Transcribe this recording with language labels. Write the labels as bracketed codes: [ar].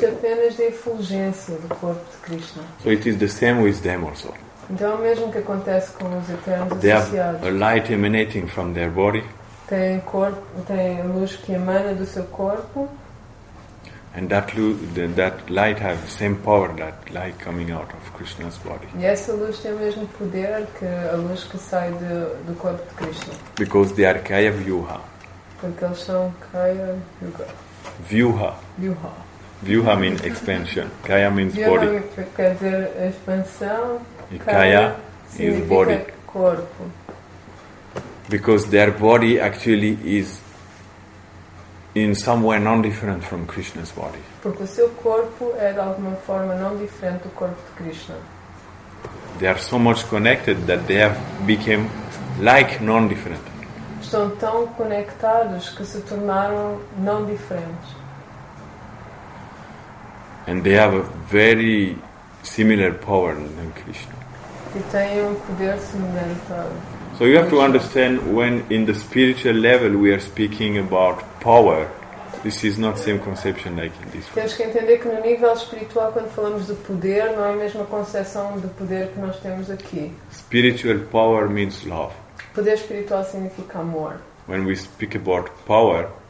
[pt] Isto é apenas da efulgência do corpo de Krishna. [en] So it is the same with them also. [pt] Então é o mesmo que acontece com os eternos [en] they [pt] associados. [en] Have a light emanating from their body. [pt] Tem a luz que emana do seu corpo. [en] And that light has the same power that light coming out of Krishna's body. [pt] E essa luz tem o mesmo poder que a luz que sai do corpo de Krishna. [en] Because they are Kaya Vyuha. [pt] Porque eles são Kaya Yuga. [en] Vyuha. Vyuha. Vyuha means expansion. Kaya means body. [pt] Vyuha quer dizer expansão. [en] E Kaya is body. [pt] Corpo. [en] Because their body actually is in some way non-different from Krishna's body. [pt] Porque o seu corpo é de alguma forma não diferente do corpo de Krishna. [en] They are so much connected that they have become like non-different. [pt] Estão tão conectados que se tornaram não diferentes. [en] And they have a very similar power than Krishna. [pt] E têm um poder semelhante. [en] So you have to understand when in the spiritual level we are speaking about power, this is not the same conception like in this. [pt] Temos que entender que no nível espiritual quando falamos de poder não é a mesma concepção de poder que nós temos aqui. [en] Spiritual power means love. [pt] Poder espiritual significa amor. [en] When we speak about power,